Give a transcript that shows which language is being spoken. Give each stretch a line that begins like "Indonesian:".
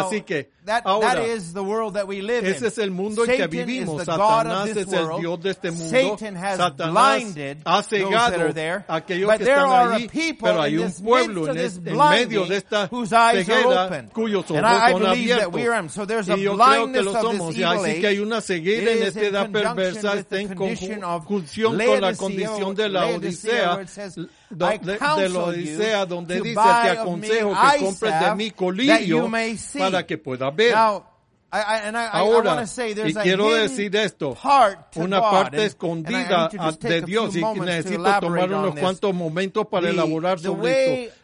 Spanish: Así que ahora, ese es el mundo en que vivimos. Satanás es el Dios de este mundo. Satanás ha cegado a aquellos que están ahí, pero hay un pueblo en medio de esta ceguera cuyos ojos son abiertos.
English: That we are. So there's a blindness of this evil age.
Spanish: Así que hay una ceguera en esta edad perversa, está en conjunción con la condición de la Odisea, de la Odisea, donde dice, te aconsejo que compres de mí colirio para que puedas ver. Ahora, y quiero decir esto, una parte escondida de Dios, y necesito tomar unos cuantos momentos para elaborar sobre esto.